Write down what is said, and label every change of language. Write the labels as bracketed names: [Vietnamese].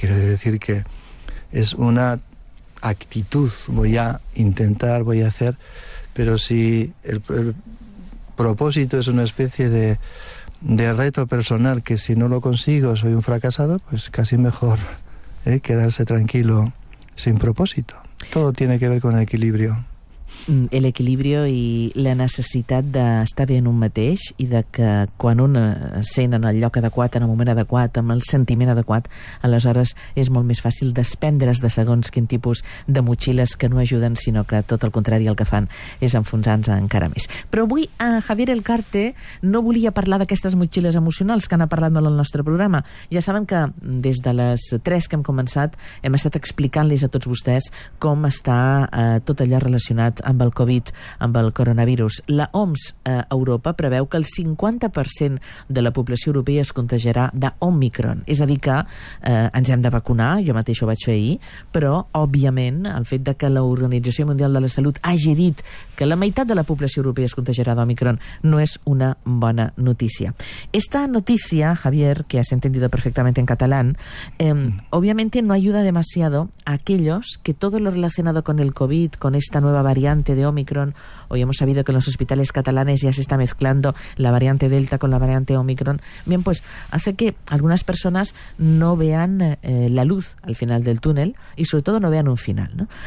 [Spanish] Quiere decir que es una actitud, voy a intentar, voy a hacer, pero si el propósito es una especie de reto personal, que si no lo consigo soy un fracasado, pues casi mejor quedarse tranquilo sin propósito. Todo tiene que ver con equilibrio. El equilibrio [Catalan] i la necessitat d'estar bé en un mateix i de que quan un sent en el lloc adequat, en el moment adequat, amb el sentiment adequat, aleshores és molt més fàcil despendre's de segons quin tipus de motxilles que no ajuden, sinó que tot el contrari, el que fan és enfonsar-nos encara més. Però avui a Javier Elcarte no volia parlar d'aquestes motxilles emocionals, que n'ha parlat molt al nostre programa. Ja saben que des de les 3 que hem començat hem estat explicant-los a tots vostès com està tot allò relacionat amb el Covid, amb el coronavirus. La OMS Europa preveu que el 50% de la població europea es contagiarà d'Omicron. És a dir que ens hem de vacunar, jo mateix ho vaig fer ahir, però òbviament el fet de que l'Organització Mundial de la Salut hagi dit que la meitat de la població europea es contagiarà d'Omicron no és una bona notícia. [Spanish] Esta notícia, Javier, que has entendido perfectamente en catalán, obviamente no ayuda demasiado a aquellos que todo lo relacionado con el Covid, con esta nueva variante de Omicron, hoy hemos sabido que en los hospitales catalanes ya se está mezclando la variante Delta con la variante Omicron, bien, pues hace que algunas personas no vean la luz al final del túnel y sobre todo no vean un final, ¿no?